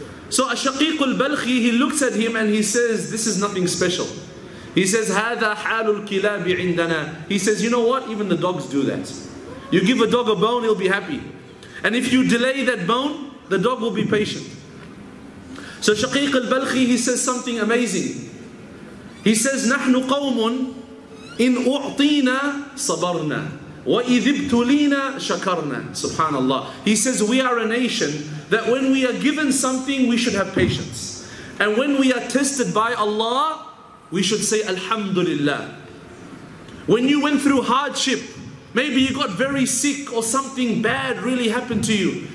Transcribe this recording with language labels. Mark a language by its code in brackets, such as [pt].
[en] So Ash-Shaqiq al-Balkhi, he looks at him and he says, this is nothing special. He says, [ar] Hadha halul kilabi indana. [en] He says, you know what? Even the dogs do that. You give a dog a bone, he'll be happy. And if you delay that bone, the dog will be patient. So Shaqiq al-Balkhi, he says something amazing. He says, [ar] نَحْنُ قَوْمٌ إِنْ أُعْطِينَا صَبَرْنَا وَإِذِ ابْتُلِينَا شَكَرْنَا. [en] Subhanallah. He says, we are a nation that when we are given something, we should have patience. And when we are tested by Allah, we should say, Alhamdulillah. When you went through hardship, maybe you got very sick or something bad really happened to you.